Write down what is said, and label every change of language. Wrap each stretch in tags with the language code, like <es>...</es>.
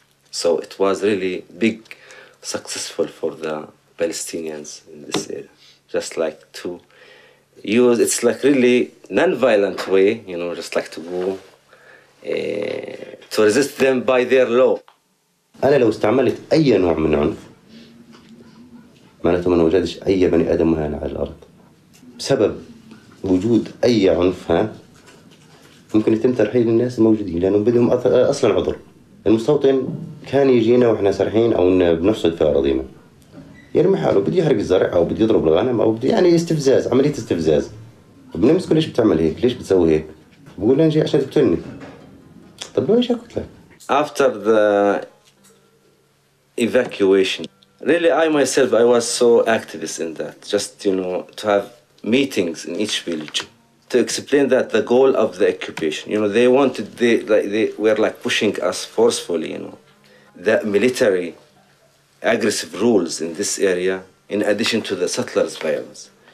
<en>So it was really big, successful for the Palestinians in this area. Just like to use, it's like really non-violent way, you know, just like to go to resist them by their law.</en> <ar>أنا لو استعملت أي نوع من عنف معناته ما وجدش أي بني آدم هنا على الأرض بسبب وجود أي عنف ها ممكن يتم ترحيل الناس الموجودين لأنهم بدهم أصلاً عذر المستوطن كان يجينا وإحنا سرحين أو بنفسد في أراضينا يرمي حاله بدي يحرق الزرع أو بدي يضرب الغنم أو بدي يعني استفزاز عملية استفزاز بنمسكه ليش بتعمل هيك ليش بتسوي هيك بقول له نجي عشان تقتلني</ar> <en>After the evacuation, really I myself, I was so activist in that, just, you know, to have meetings in each village to explain that the goal of the occupation, you know, they wanted, they were like pushing us forcefully, you know, the military aggressive rules in this area in addition to the settlers' violence.</en>